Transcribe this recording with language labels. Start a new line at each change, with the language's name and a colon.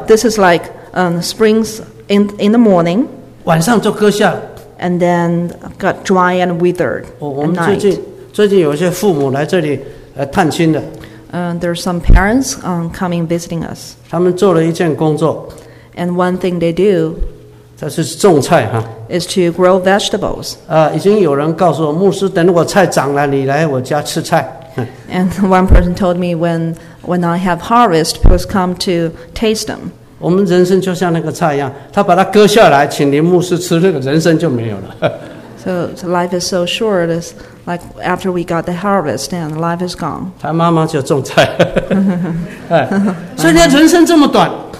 English: This is like springs in the morning.
Chinese: 晚上就割下。
English: And then got dry and withered at night.
Chinese: 最近有一些父母来这里探亲的。
English: There are some parents coming visiting us.
Chinese: 他们做了一件工作。
English: And one thing they do.
Chinese: 这是种菜哈。
English: Is to grow vegetables.
Chinese: 已经有人告诉我，牧师，等我菜长了，你来我家吃菜。
English: And one person told me, when I have harvest, please come to taste them.
Chinese: 我们人生就像那个菜一样，他把它割下来，请林牧师吃，那个人生就没有了。
English: So life is so short. It's like after we got the harvest, and life is gone.
Chinese: 他妈妈就种菜。所以人生这么短。